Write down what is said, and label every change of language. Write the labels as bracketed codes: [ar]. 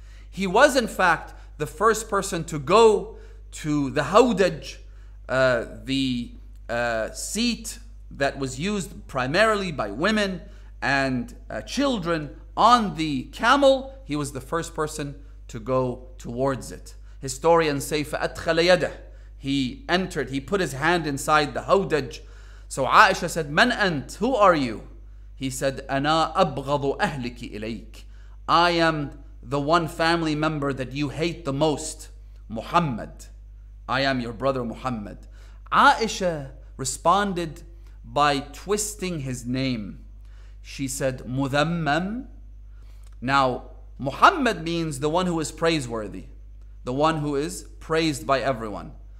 [en] He was in fact the first person to go to the Hawdaj, the seat that was used primarily by women and children on the camel. He was the first person to go towards it. Historians say, [ar] فَأَدْخَلَ يَدَهُ. [en] He entered, he put his hand inside the Hawdaj. So Aisha said, [ar] مَنْ أَنْتَ. [en] Who are you? He said, [ar] أَنَا أَبْغَضُ أَهْلِكِ إِلَيْكَ. [en] I am the one family member that you hate the most, Muhammad. I am your brother Muhammad. Aisha responded by twisting his name. She said, مُذَمَّم. Now, Muhammad means the one who is praiseworthy, the one who is praised by everyone.